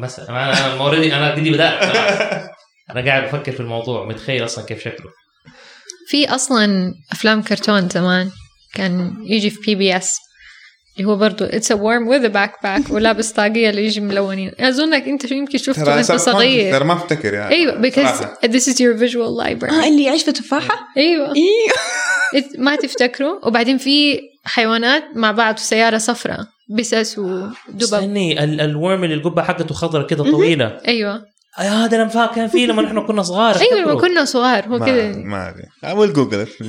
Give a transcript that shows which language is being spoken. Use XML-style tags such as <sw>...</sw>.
<ar>بس أنا موردي أنا بدي بدأ أنا قاعد بفكر في الموضوع متخيل أصلا كيف شكله في أصلا أفلام كرتون زمان كان يجي في PBS اللي هو برضو</ar> <en>it's a worm with a backpack</en> <ar>ولابس طاقية اللي يجي ملونين أظنك أنت يمكن شفته وأنت صغير ترى ما أفتكر يعني أيوة</ar> <en>because this is your visual library</en> <ar>اللي يعيش في تفاحة أيوة ما تفتكره وبعدين في حيوانات مع بعض في سيارة صفرة بساس ودبب استني الورم اللي القبة حقته خضرة كده طويلة أيوة هذا لما كان فيه لما نحن كنا صغار أيوة لما كنا صغار هو كده ما أدري أول جوجل</ar>